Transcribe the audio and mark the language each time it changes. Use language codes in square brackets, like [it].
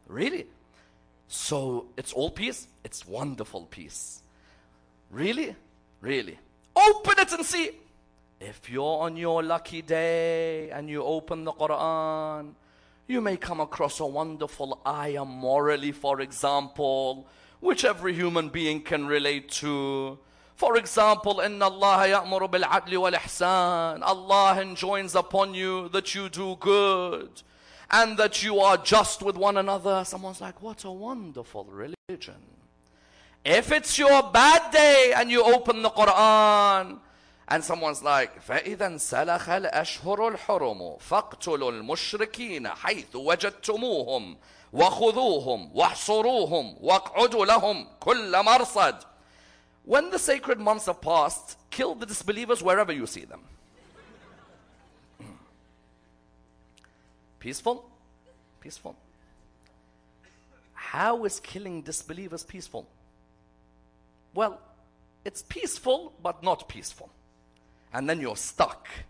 [en] Really? So it's all peace? It's wonderful peace. Really? Really? Open it and see. If you're on your lucky day and you open the Quran, you may come across a wonderful ayah morally, for example, which every human being can relate to. For example, [ar] إِنَّ اللَّهَ يَأْمُرُ بِالْعَدْلِ وَالْإِحْسَانِ. [en] Allah enjoins upon you that you do good and that you are just with one another. Someone's like, what a wonderful religion. If it's your bad day and you open the Quran, and someone's like, [ar] فَإِذَنْ سَلَخَ الْأَشْهُرُ الْحُرُمُ فَاقْتُلُوا الْمُشْرِكِينَ حَيْثُ وَجَدْتُمُوهُمْ وَخُذُوهُمْ وَحْصُرُوهُمْ وَاقْعُدُوا لَهُمْ كُلَّ مَرْصَدٍ. [en] When the sacred months have passed, kill the disbelievers wherever you see them. Peaceful? Peaceful. How is killing disbelievers peaceful? Well, it's peaceful, but not peaceful. And then you're stuck.